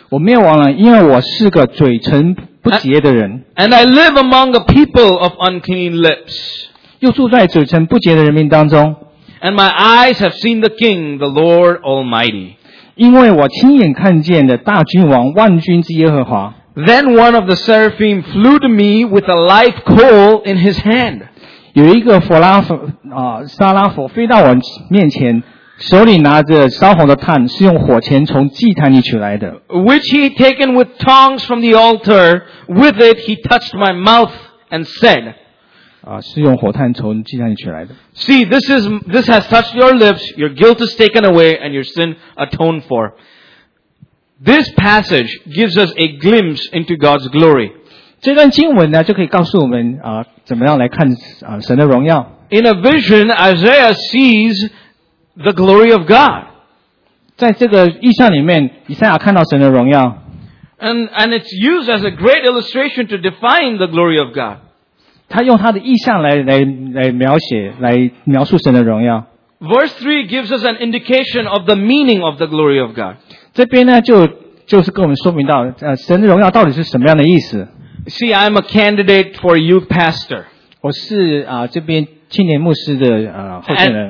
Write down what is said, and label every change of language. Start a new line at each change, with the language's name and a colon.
Chinese: 我灭亡了，因为我是个嘴唇不洁的人。
English: And I live among a people of unclean lips.
Chinese: 又住在嘴唇不洁的人民当中。
English: And my eyes have seen the King, the Lord Almighty.
Chinese: 因为我亲眼看见的大君王万军之耶和华。
English: Then one of the seraphim flew to me with a live coal in his hand.
Chinese: 有一个佛拉佛啊，沙拉佛飞到我面前，手里拿着烧红的炭，是用火钳从祭坛里取来的。
English: Which he had taken with tongs from the altar, with it he touched my mouth and said,
Chinese: 是用火炭从祭坛里取来的。
English: See, this has touched your lips, your guilt is taken away, and your sin atoned for. This passage gives us a glimpse into God's glory.
Chinese: 这段经文呢，就可以告诉我们怎么样来看神的荣耀。
English: In a vision, Isaiah sees the glory of God.
Chinese: 在这个意象里面，以赛亚看到神的荣耀。
English: And it's used as a great illustration to define the glory of God.
Chinese: 他用他的意象来描写，来描述神的荣耀。
English: Verse 3 gives us an indication of the meaning of the glory of God.
Chinese: 这边呢，就是跟我们说明到神的荣耀到底是什么样的意思。
English: See, I'm a candidate for youth pastor.
Chinese: 我是这边青年牧师的候选人。